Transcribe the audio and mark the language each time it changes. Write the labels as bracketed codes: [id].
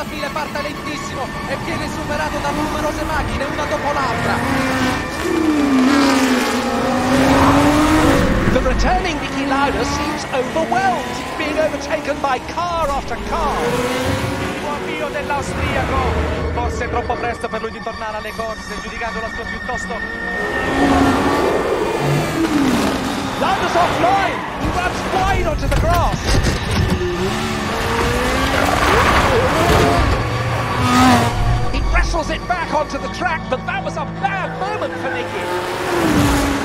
[it] parte lentissimo e viene superato da numerose macchine una dopo l'altra. [en] The returning Niki Lauda seems overwhelmed, being overtaken by car after car. [it] Avvio dell'austriaco, forse troppo presto per lui di tornare alle corse, giudicando la sua piuttosto. [en] Lauda's offline, he grabs wide onto the grass. He wrestles it back onto the track, but that was a bad moment for Niki.